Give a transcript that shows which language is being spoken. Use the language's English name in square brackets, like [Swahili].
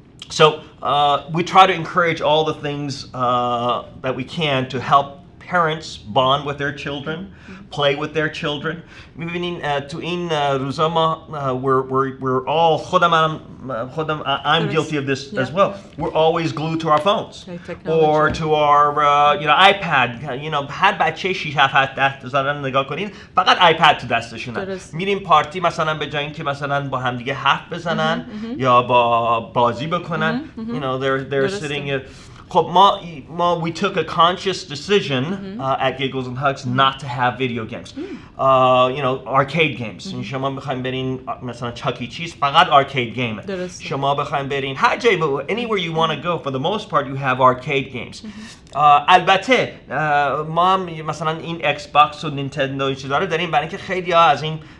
[English] So we try to encourage all the things that we can to help parents bond with their children, play with their children. [Persian] میبینین تو این روزا ما [English] we're all [Persian] خودم [English] I'm guilty of this as well. We're always glued to our phones or to our iPad. You know, [Persian] هر بچه 6-7 سالانه نگاه کنین فقط iPad تو دستشون هست. میریم پارتی مثلا به جایی که مثلا با هم دیگه حرف بزنن یا با بازی بکنن. [English] You know, they're sitting. [Persian] خب ما [English] we took a conscious decision at Giggles and Hugs not to have video games. You know, arcade games. [Persian] شما بخواید برین مثلا چاکی چیز فقط arcade game. شما بخواید برین هر جایی [English] anywhere you want to go for the most part you have arcade games. [Persian] البته ما هم مثلا این ایکس باکس و نینتندو این چیزا رو داریم برای اینکه خیلی ها از این